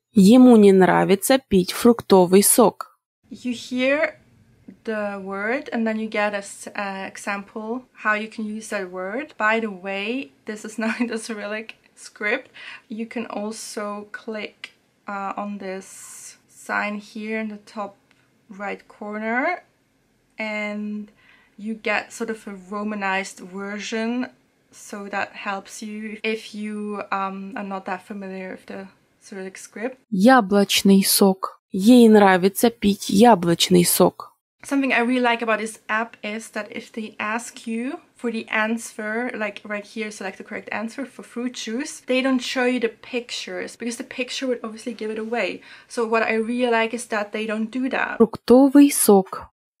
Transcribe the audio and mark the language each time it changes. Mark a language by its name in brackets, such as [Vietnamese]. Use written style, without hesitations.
[Russian] Ему не нравится пить фруктовый сок. [English] You hear the word and then you get an example how you can use that word. By the way, this is not in the Cyrillic script. You can also click on this sign here in the top right corner, and you get sort of a romanized version, so that helps you if you are not that familiar with the Cyrillic script. [Russian] Яблочный сок. Ей нравится пить яблочный сок. [English] Something I really like about this app is that if they ask you for the answer, like right here, select the correct answer for fruit juice, they don't show you the pictures because the picture would obviously give it away. So what I really like is that they don't do that. [Russian] Фруктовый сок.